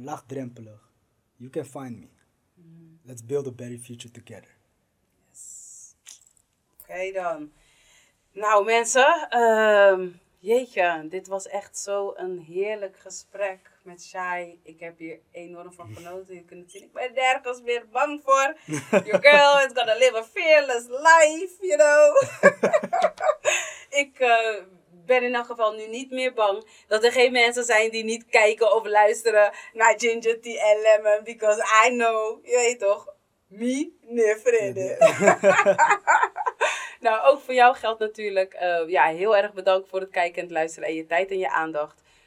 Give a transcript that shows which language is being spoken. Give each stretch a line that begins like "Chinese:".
English: Laagdrempelig. You can find me. Let's build a better future together.
Dutch: Yes. Oké, dan. Nou mensen... Jeetje, dit was echt zo een heerlijk gesprek met Shai. Ik heb hier enorm van genoten. Je kunt natuurlijk bij nergens meer bang voor.
English: Your girl is gonna live a fearless life, you know.
Dutch: Ik ben in elk geval nu niet meer bang dat er geen mensen zijn die niet kijken of luisteren naar Ginger Tea and Lemon.
English: Because I know,
Dutch: je weet toch,
English: me nevrede.
Dutch: Nou, ook voor jou geldt natuurlijk. Ja, heel erg bedankt voor het kijken en het luisteren en je tijd en je aandacht.